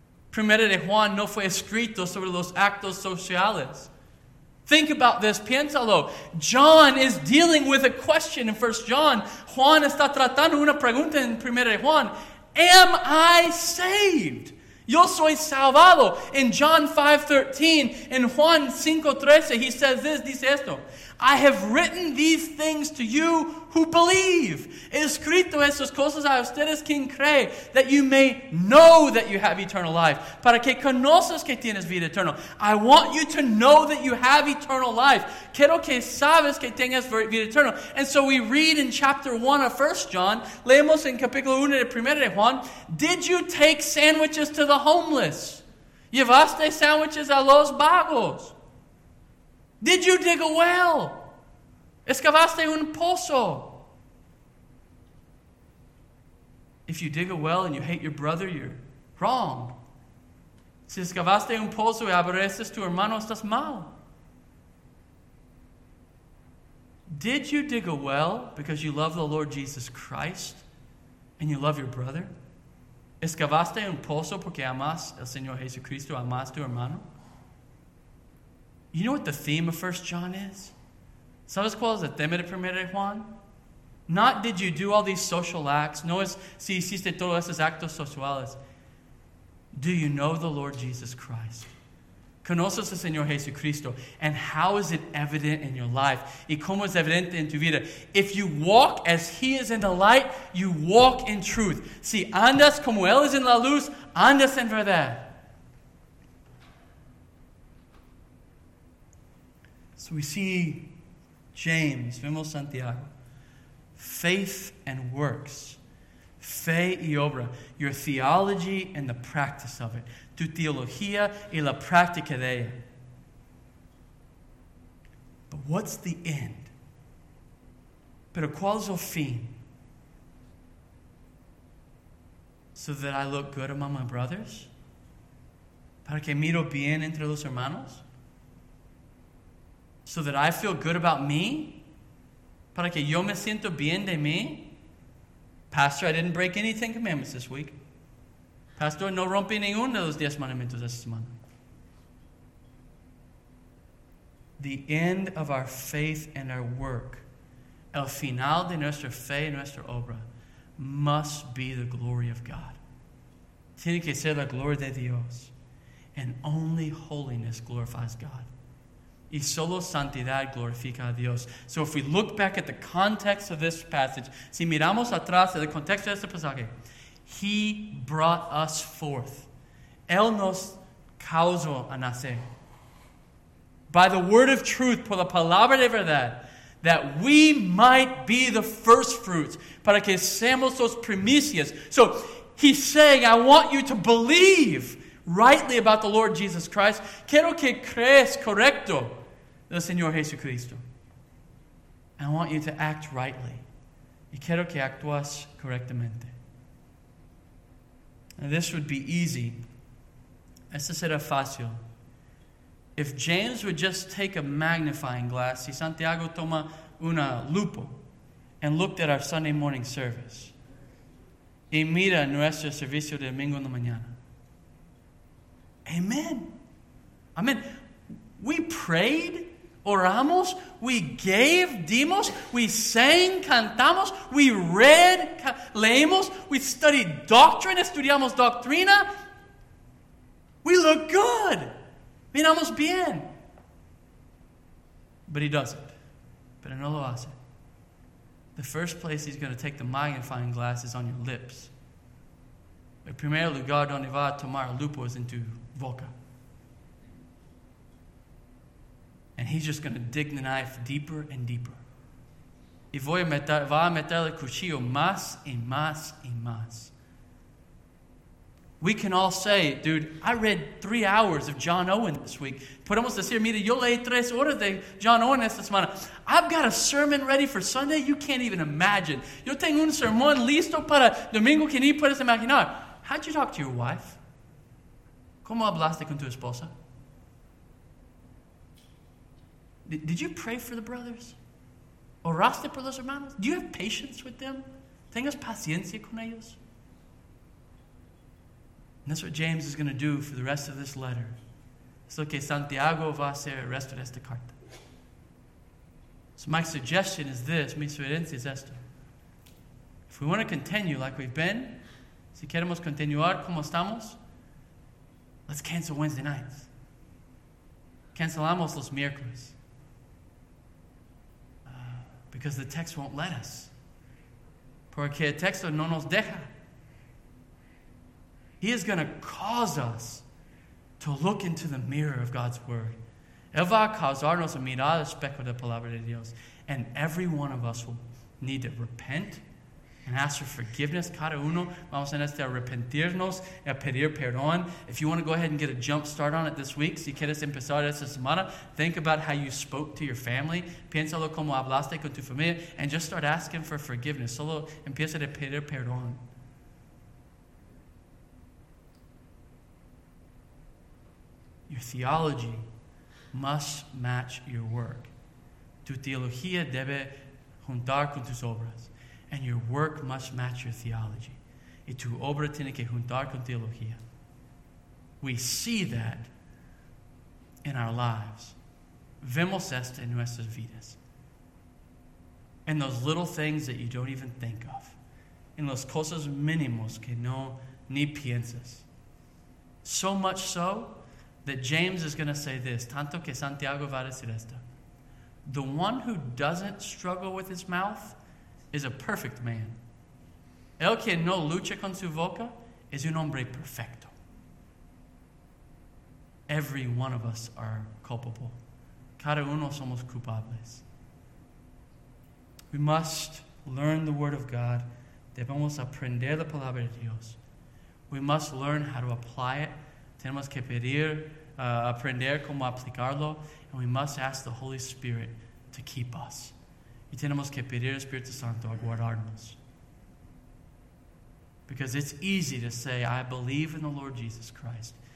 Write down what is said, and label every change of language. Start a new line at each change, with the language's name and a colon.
Spanish: Primera de Juan no fue escrito sobre los actos sociales.
English: Think about this,
Spanish: piénsalo.
English: John is dealing with a question in 1 John.
Spanish: Juan está tratando una pregunta en Primera de Juan.
English: Am I saved?
Spanish: Yo soy salvado.
English: In John 5:13, in Juan 5:13, he says this,
Spanish: dice esto.
English: I have written these things to you who believe.
Spanish: He escrito esas cosas a ustedes quien cree,
English: that you may know that you have eternal life.
Spanish: Para que conozcas que tienes vida eterna.
English: I want you to know that you have eternal life.
Spanish: Quiero que sabes que tengas vida eterna.
English: And so we read in chapter 1 of 1 John,
Spanish: leemos en capítulo 1 de 1 de Juan,
English: did you take sandwiches to the homeless?
Spanish: ¿Llevaste sandwiches a los vagos?
English: Did you dig a well?
Spanish: ¿Excavaste un pozo?
English: If you dig a well and you hate your brother, you're wrong.
Spanish: Si excavaste un pozo y aborreces tu hermano, estás mal.
English: Did you dig a well because you love the Lord Jesus Christ and you love your brother?
Spanish: ¿Excavaste un pozo porque amas al Señor Jesucristo, amas tu hermano?
English: You know what the theme of 1 John is?
Spanish: ¿Sabes cuál es el tema de 1 Juan?
English: Not did you do all these social acts.
Spanish: No es si hiciste todos esos actos sociales.
English: Do you know the Lord Jesus Christ?
Spanish: ¿Conoces al Señor Jesucristo?
English: And how is it evident in your life?
Spanish: ¿Y cómo es evidente en tu vida?
English: If you walk as he is in the light, you walk in truth.
Spanish: Si andas como él es en la luz, andas en verdad.
English: So we see James,
Spanish: vemos Santiago,
English: faith and works,
Spanish: fe y obra,
English: your theology and the practice of it,
Spanish: tu teología y la práctica de ella.
English: But what's the end?
Spanish: Pero ¿cuál es el fin?
English: So that I look good among my brothers?
Spanish: Para que miro bien entre los hermanos?
English: So that I feel good about me?
Spanish: Para que yo me siento bien de mí?
English: Pastor, I didn't break any Ten Commandments this week.
Spanish: Pastor, no rompí ninguno de los 10 mandamientos esta semana.
English: The end of our faith and our work,
Spanish: el final de nuestra fe y nuestra obra,
English: must be the glory of God.
Spanish: Tiene que ser la gloria de Dios.
English: And only holiness glorifies God.
Spanish: Y solo santidad glorifica a Dios.
English: So if we look back at the context of this passage,
Spanish: si miramos atrás de el contexto de este pasaje,
English: he brought us forth.
Spanish: Él nos causó a nacer.
English: By the word of truth,
Spanish: por la palabra de verdad,
English: that we might be the first fruits,
Spanish: para que seamos los primicias.
English: So he's saying, I want you to believe rightly about the Lord Jesus Christ.
Spanish: Quiero que creas correcto del Señor Jesucristo.
English: I want you to act rightly.
Spanish: Y quiero que actúes correctamente.
English: Now this would be easy.
Spanish: Esto será fácil.
English: If James would just take a magnifying glass,
Spanish: si Santiago toma una lupa
English: and looked at our Sunday morning service,
Spanish: y mira nuestro servicio de domingo en la mañana.
English: Amen. Amen. We prayed,
Spanish: oramos,
English: we gave,
Spanish: dimos,
English: we sang,
Spanish: cantamos,
English: we read,
Spanish: leemos,
English: we studied doctrine,
Spanish: estudiamos doctrina.
English: We look good.
Spanish: Miramos bien.
English: But he doesn't.
Spanish: Pero no lo hace.
English: The first place he's going to take the magnifying glass is on your lips.
Spanish: En primer lugar, donde va a tomar lupus en tu boca.
English: And he's just going to dig the knife deeper and deeper.
Spanish: Y voy a meter, va a meter el cuchillo más y más y más.
English: We can all say, dude, I read 3 hours of John Owen this week.
Spanish: Podemos decir, mira, yo leí 3 horas de John Owen esta semana.
English: I've got a sermon ready for Sunday you can't even imagine.
Spanish: Yo tengo un sermón listo para domingo que ni puedes imaginar.
English: How'd you talk to your wife?
Spanish: ¿Cómo hablaste con tu esposa?
English: Did you pray for the brothers?
Spanish: ¿Oraste por los hermanos?
English: Do you have patience with them?
Spanish: ¿Tengas paciencia con ellos?
English: And that's what James is going to do for the rest of this letter.
Spanish: It's lo que Santiago va a hacer el resto de esta carta.
English: So my suggestion is this,
Spanish: mi sugerencia es esto.
English: If we want to continue like we've been,
Spanish: si queremos continuar como estamos,
English: let's cancel Wednesday nights.
Spanish: Cancelamos los miércoles.
English: Because the text won't let us.
Spanish: Porque el texto no nos deja.
English: He is going to cause us to look into the mirror of God's Word.
Spanish: Él va a causarnos a mirar el espejo de la palabra de Dios.
English: And every one of us will need to repent and ask for forgiveness.
Spanish: Cada uno vamos a necesitar arrepentirnos y pedir perdón.
English: If you want to go ahead and get a jump start on it this week,
Spanish: si quieres empezar esta semana,
English: think about how you spoke to your family.
Spanish: Piénsalo como hablaste con tu familia.
English: And just start asking for forgiveness.
Spanish: Solo empieza a pedir perdón.
English: Your theology must match your work.
Spanish: Tu teología debe juntar con tus obras.
English: And your work must match your theology.
Spanish: Y tu obra tiene que juntar con teología.
English: We see that in our lives.
Spanish: Vemos esto en nuestras vidas.
English: In those little things that you don't even think of.
Spanish: En las cosas mínimas que no ni piensas.
English: So much so that James is going to say this,
Spanish: tanto que Santiago va a decir esto.
English: The one who doesn't struggle with his mouth is a perfect man.
Spanish: El que no lucha con su boca es un hombre perfecto.
English: Every one of us are culpable.
Spanish: Cada uno somos culpables.
English: We must learn the word of God.
Spanish: Debemos aprender la palabra de Dios.
English: We must learn how to apply it.
Spanish: Tenemos que pedir aprender cómo aplicarlo,
English: and we must ask the Holy Spirit to keep us.
Spanish: Y tenemos que pedir al Espíritu Santo a guardarnos.
English: Because it's easy to say, I believe in the Lord Jesus Christ.